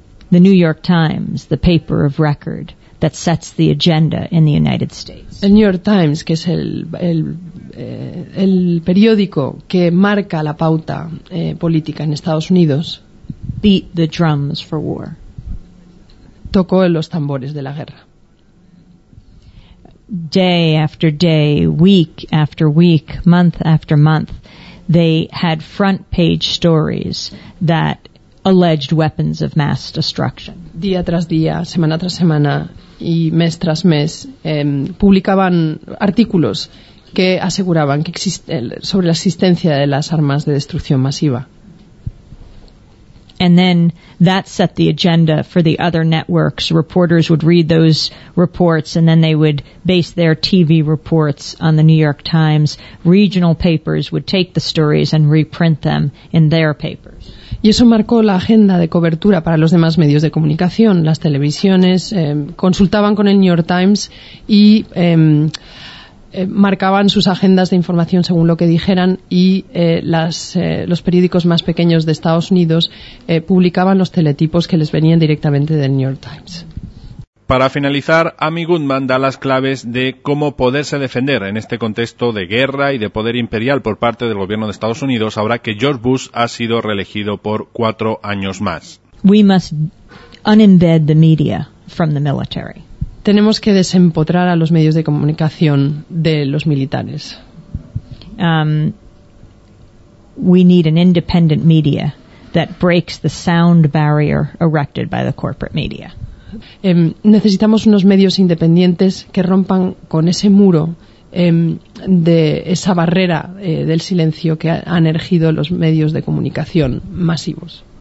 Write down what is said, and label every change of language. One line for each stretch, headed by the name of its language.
English: The New York Times, the paper of record that sets the agenda in the United States.
Spanish: El New York Times, que es el periódico que marca la pauta política en Estados Unidos,
English: beat the drums for war.
Spanish: Tocó los tambores de la guerra.
English: Day after day, week after week, month after month, they had front page stories that alleged weapons of mass destruction.
Spanish: Día tras día, semana tras semana, y mes tras mes publicaban artículos que aseguraban que sobre la existencia de las armas de destrucción masiva.
English: And then that set the agenda for the other networks. Reporters would read those reports and then they would base their TV reports on the New York Times. Regional papers would take the stories and reprint them in their papers.
Spanish: Y eso marcó la agenda de cobertura para los demás medios de comunicación. Las televisiones consultaban con el New York Times y marcaban sus agendas de información según lo que dijeran y los periódicos más pequeños de Estados Unidos publicaban los teletipos que les venían directamente del New York Times. Para finalizar, Amy Goodman da las claves de cómo poderse defender en este contexto de guerra y de poder imperial por parte del gobierno de Estados Unidos ahora que George Bush ha sido reelegido por 4 años más.
English: We must unembed the media from the military.
Spanish: Tenemos que desempotrar a los medios de comunicación de los militares.
English: We need an independent media that breaks the sound barrier erected by the corporate media.
Spanish: Necesitamos unos medios independientes que rompan con ese muro de esa barrera del silencio que han erigido los medios de comunicación masivos.